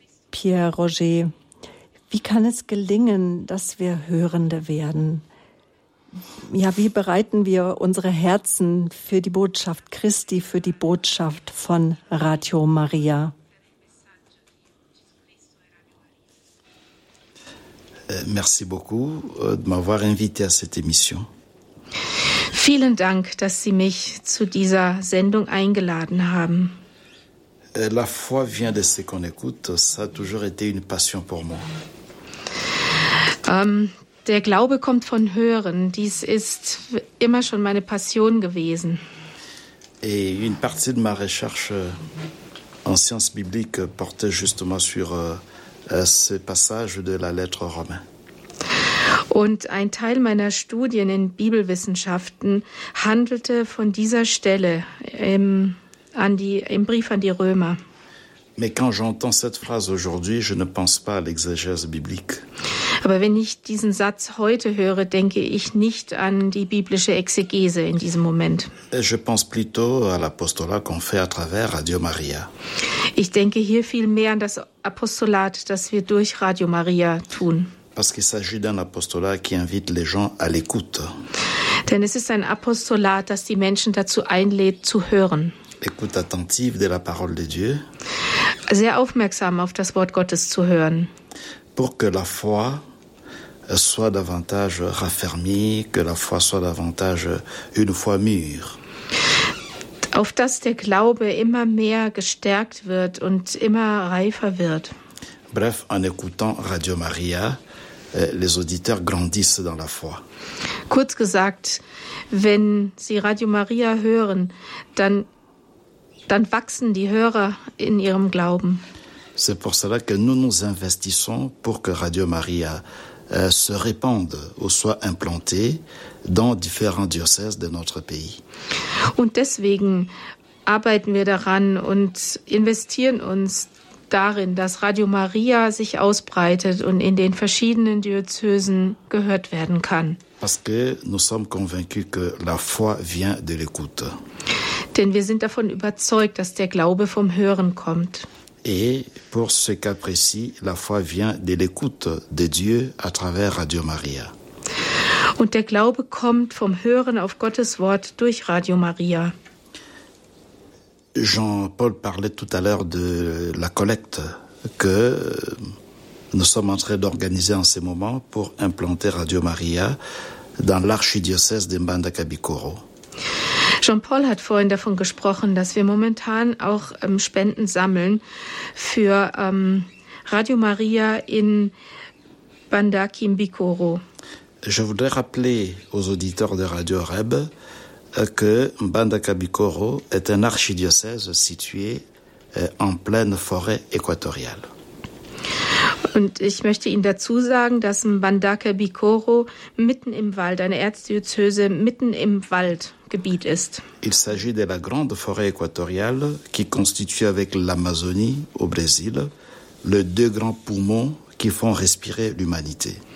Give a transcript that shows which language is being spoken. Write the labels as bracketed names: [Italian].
[German] Pierre Roger, wie kann es gelingen, dass wir Hörende werden? Ja, wie bereiten wir unsere Herzen für die Botschaft Christi, für die Botschaft von Radio Maria? [French] Merci beaucoup de m'avoir invité à cette émission. [German] Vielen Dank, dass Sie mich zu dieser Sendung eingeladen haben. [French] La foi vient de ce qu'on écoute, ça a toujours été une passion pour moi. [German] Der Glaube kommt von Hören, dies ist immer schon meine Passion gewesen. [French] Et une partie de ma recherche en sciences bibliques portait justement sur ce passage de la lettre aux Romains. [German] Und ein Teil meiner Studien in Bibelwissenschaften handelte von dieser Stelle im Brief an die Römer. [French] Mais quand j'entends cette phrase aujourd'hui, je ne pense pas à l'exégèse biblique. [German] Aber wenn ich diesen Satz heute höre, denke ich nicht an die biblische Exegese in diesem Moment. [French] Je pense plutôt à l'apostolat qu'on fait à travers Radio Maria. [German] Ich denke hier viel mehr an das Apostolat, das wir durch Radio Maria tun. [French] Parce qu'il s'agit d'un apostolat qui invite les gens à l'écoute. [German] Denn es ist ein Apostolat, das die Menschen dazu einlädt zu hören. [French] Écoute attentive de la parole de Dieu. [German] Sehr aufmerksam auf das Wort Gottes zu hören. [French] Pour que la foi soit davantage raffermie, que la foi soit davantage une foi mûre. [German] Auf dass der Glaube immer mehr gestärkt wird und immer reifer wird. [French] Bref, en écoutant Radio Maria, les auditeurs grandissent dans la foi. [German] Kurz gesagt, wenn Sie Radio Maria hören, dann wachsen die Hörer in ihrem Glauben. [French] C'est pour cela que nous nous investissons pour que Radio Maria se répande ou soit implantée dans différents diocèses de notre pays. [German] Und deswegen arbeiten wir daran und investieren uns darin, dass Radio Maria sich ausbreitet und in den verschiedenen Diözesen gehört werden kann. [French] Parce que nous sommes convaincus que la foi vient de l'écoute. [German] Denn wir sind davon überzeugt, dass der Glaube vom Hören kommt. [French] Et pour ce cas précis, la foi vient de l'écoute de Dieu à travers Radio Maria. [German] Und der Glaube kommt vom Hören auf Gottes Wort durch Radio Maria. [French] Jean-Paul parlait tout à l'heure de la collecte que nous sommes en train d'organiser en ce moment pour implanter Radio Maria dans l'archidiocèse de Mbandaka-Bikoro. [German] Jean-Paul hat vorhin davon gesprochen, dass wir momentan auch Spenden sammeln für Radio Maria in Mbandaka-Bikoro. [French] Je voudrais rappeler aux auditeurs de Radio Reb que Mbandaka-Bikoro est un archidiocèse situé en pleine forêt équatoriale. [German] Und ich möchte Ihnen dazu sagen, dass Mbandaka-Bikoro mitten im Wald, eine Erzdiözese mitten im Waldgebiet ist. [French] Il s'agit de la grande forêt équatoriale qui constitue avec l'Amazonie au Brésil les deux grands poumons qui font respirer l'humanité.